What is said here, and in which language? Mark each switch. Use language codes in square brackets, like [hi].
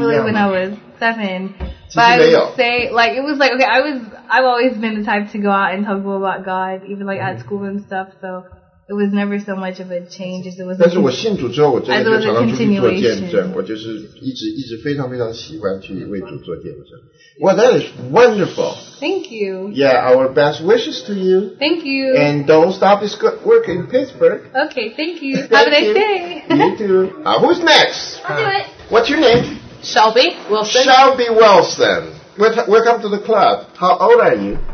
[en] Not really when I was 7, but I would say, like, it was like, okay, I've always been the type to go out and tell people about God, even like at school and stuff, so it was never so much of a change as it was. [zh] 但是我信主之后，我真的就常常出去做见证。我就是一直非常非常喜欢去为主做见证。 [en] Well, that is wonderful. Thank you. Yeah, our best wishes to you. Thank you. And don't stop this good work in Pittsburgh. Okay, thank you. Have a nice day. You too. Who's next? I'll do it. What's your name? Shelby Wilson. Shelby Wilson. Welcome to the club. How old are you?